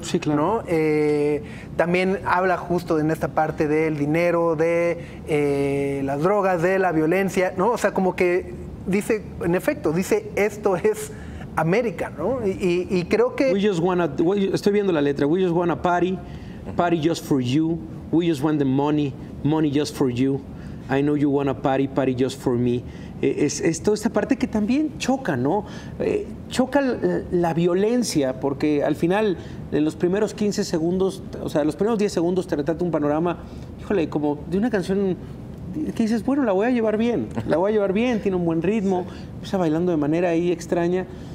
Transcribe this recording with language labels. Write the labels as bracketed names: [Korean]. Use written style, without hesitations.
[Spanish] Sí, claro. ¿No? También habla justo en esta parte del dinero, de las drogas, de la violencia, ¿no? O sea, como que dice, en efecto, dice esto es América, ¿no? Y creo que... [English] We just wanna, [Spanish] estoy viendo la letra. [English] We just wanna party just for you. We just want the money just for you. I know you wanna party just for me. [Spanish] Es toda esta parte que también choca, ¿no? Choca la violencia, porque al final, en los primeros 15 segundos, o sea, los primeros 10 segundos te retrata un panorama, híjole, como de una canción que dices, bueno, la voy a llevar bien, tiene un buen ritmo, empieza bailando de manera ahí extraña.